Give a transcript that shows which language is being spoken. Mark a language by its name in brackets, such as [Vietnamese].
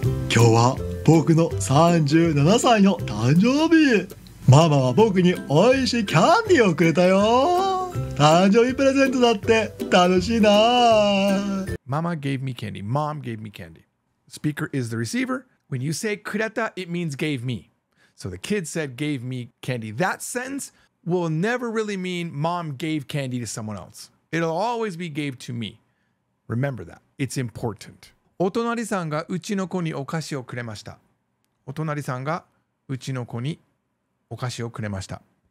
[Japanese] 今日は僕の37歳の誕生日。ママは僕に美味しいキャンディーをくれたよ。誕生日プレゼントだって楽しいな。ママ [English] gave me candy. Mom gave me candy. Speaker is the receiver. When you say [Japanese] くれた, [English] it means gave me. So the kid said gave me candy. That sentence will never really mean mom gave candy to someone else. It'll always be gave to me. Remember that. It's important. [Japanese] お隣さんがうちの子にお菓子をくれました。お隣さんがうちの子にお菓子をくれました。